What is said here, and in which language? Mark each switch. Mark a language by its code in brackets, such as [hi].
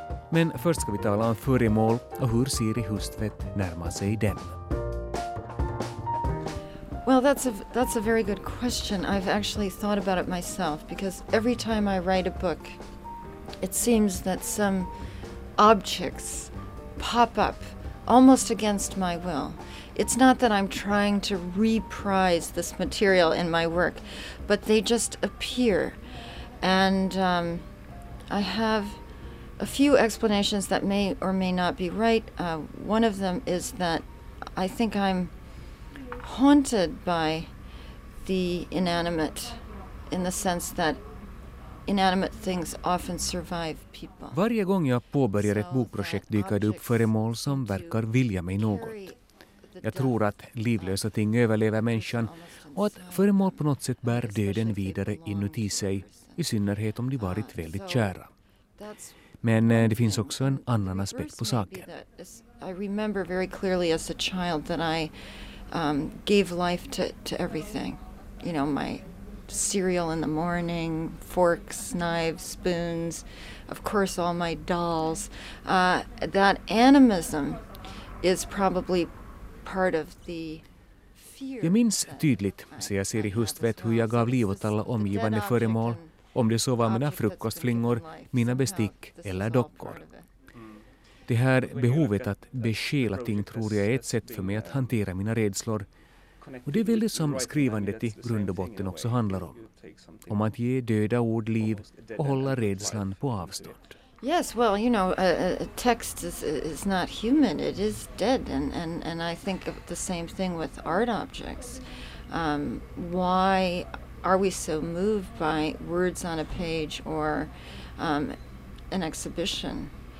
[sv] Men först ska vi tala om föremål och hur Siri Hustvedt närmar sig den. [en] Well, that's a very good question. I've actually thought about it myself, because every time I write a book, it seems that some objects pop up almost against my will. It's not that I'm trying to reprise this material in my work, but they just appear. And I have a few explanations that may or may not be right. One of them is that I think I'm haunted by the inanimate, in the sense that inanimate things often survive people. [sv] Varje gång jag påbörjar ett bokprojekt dyker det upp föremål som verkar vilja mig något. Jag tror att livlösa ting överlever människan och att föremål på något sätt bär döden vidare inuti sig, i synnerhet om de varit väldigt kära. Men det finns också en annan aspekt på saken. [en] I remember very clearly as a child that I gave life to everything. You know, my cereal in the morning, forks, knives, spoons, of course all my dolls. That animism is probably part of the fear. [sv] Jag minns tydligt, säger Siri Hustvedt, hur jag gav liv åt alla omgivande föremål. Om det så var mina frukostflingor, mina bestick eller dockor. Det här behovet att beskela ting tror jag är ett sätt för mig att hantera mina rädslor. Och det är väl det som skrivandet i grund och botten också handlar om. Om att ge döda ord liv och hålla rädslan på avstånd. [en] Yes, well, you know, a text is not human, it is dead. And I think of the same thing with art objects. Why are we so moved by words on a page or an exhibition?